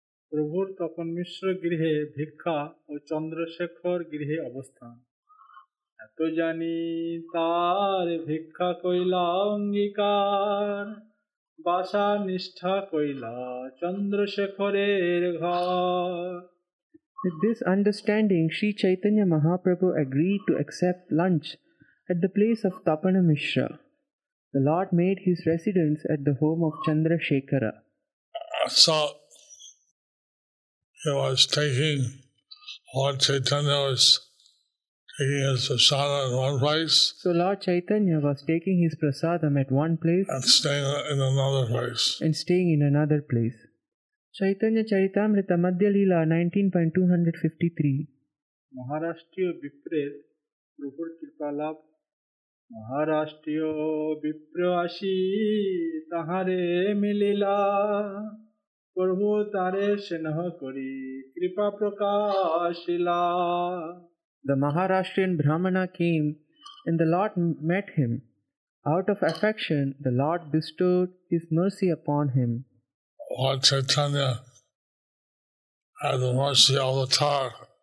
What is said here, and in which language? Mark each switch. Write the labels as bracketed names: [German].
[Bangla] প্রভুর তপন মিশ্র গৃহে ভিক্ষা ও চন্দ্রশেখর গৃহে অবস্থান। এত জানি তার ভিক্ষা কইলা অঙ্গীকার, বাসা নিষ্ঠা কইলা চন্দ্রশেখরের ঘর। [English] With this understanding, Sri Chaitanya Mahaprabhu agreed to accept lunch at the place of Tapana Mishra. The Lord made his residence at the home of Chandrasekhara. So, Lord Chaitanya was taking his prasadam in one place. So Lord Chaitanya was taking his prasadam at one place and staying in another place. Chaitanya Charitamrita Madhya Lila 19.253. Maharashtriya Vipret Rupur Kirpalab. [Bangla] মহারাষ্ট্রীয় বিপ্রাসী তাহারে মিলিলা, প্রভু তারে স্নেহ করি কৃপা প্রকাশিলা। [English] The Maharashtrian Brahmana came and the Lord met him. Out of affection, the Lord bestowed his mercy upon him. Lord Chaitanya had the mercy avatar.